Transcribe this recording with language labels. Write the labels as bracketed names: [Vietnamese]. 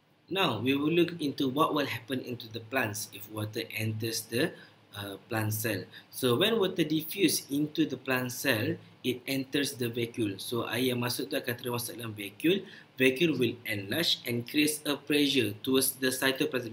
[English] Now, we will look into what will happen into the plants if water enters the plant cell. So, when water diffuse into the plant cell, it enters the vacuole. [Malay] So, air yang masuk tu akan termasuk dalam vacuole. [English] Vacuole will enlarge and create a pressure towards the cytoplasm.